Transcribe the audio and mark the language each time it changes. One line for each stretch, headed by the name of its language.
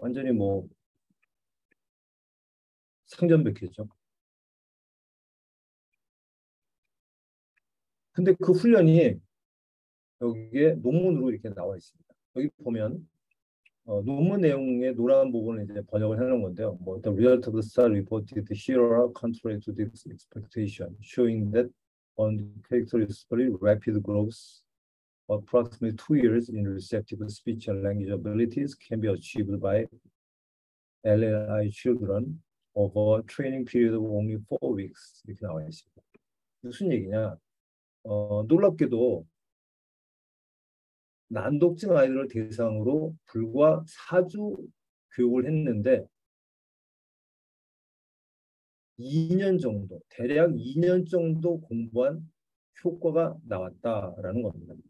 Korean: 완전히 뭐 상전벽해죠. 근데 그 훈련이 여기에 논문으로 이렇게 나와 있습니다. 여기 보면 논문 내용의 노란 부분을 이제 번역을 해놓은 건데요.
English: 뭐, The result of the study reported here are contrary to this expectation, showing that uncharacteristically rapid growth of approximately 2 years in receptive speech and language abilities can be achieved by LLI children over a training period of only 4 weeks.
Korean: 이렇게 나와 있습니다. 무슨 얘기냐? 놀랍게도 난독증 아이들을 대상으로 불과 4주 교육을 했는데 2년 정도, 대략 2년 정도 공부한 효과가 나왔다라는 겁니다.